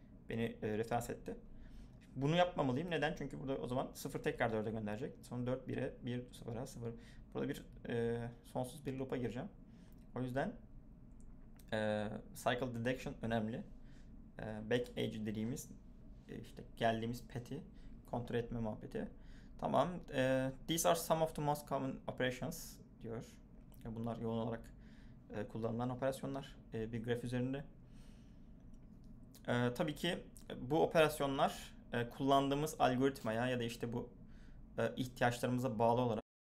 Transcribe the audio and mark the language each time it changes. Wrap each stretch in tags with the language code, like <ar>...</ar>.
<tr>Beni referans etti. Bunu yapmamalıyım. Neden? Çünkü burada o zaman 0 tekrar 4'e gönderecek. Sonra 4 1'e 1 0'a 0. Burada bir sonsuz bir loop'a gireceğim. O yüzden cycle detection önemli. Back edge dediğimiz işte geldiğimiz path'i kontrol etme muhabbeti. Tamam.</tr> <en>These are some of the most common operations</en> <tr>diyor. Yani bunlar yoğun olarak kullanılan operasyonlar bir graf üzerinde. Tabii ki bu operasyonlar kullandığımız algoritmaya ya da işte bu ihtiyaçlarımıza bağlı olarak.</tr>